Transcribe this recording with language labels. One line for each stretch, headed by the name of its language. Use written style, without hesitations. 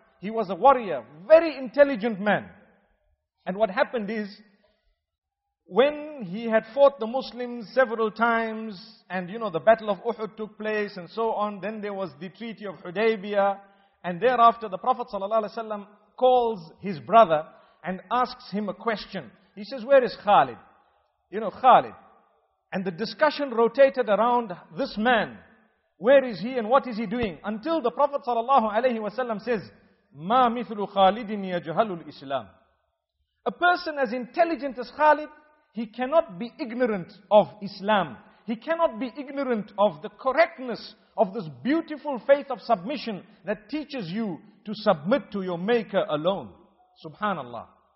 English: He was a warrior, very intelligent man. And what happened is, when he had fought the Muslims several times, and you know, the Battle of Uhud took place and so on, then there was the Treaty of Hudaybiyah, and thereafter the Prophet ﷺ calls his brother and asks him a question. He says, where is Khalid? You know, Khalid. And the discussion rotated around this man. Where is he and what is he doing? Until the Prophet ﷺ says,
Arabic: مَا مِثْلُ خَالِدٍ يَجْهَلُ الْإِسْلَامِ.
English: A person as intelligent as Khalid, he cannot be ignorant of Islam. He cannot be ignorant of the correctness of this beautiful faith of submission that teaches you to submit to your Maker alone. Subhanallah.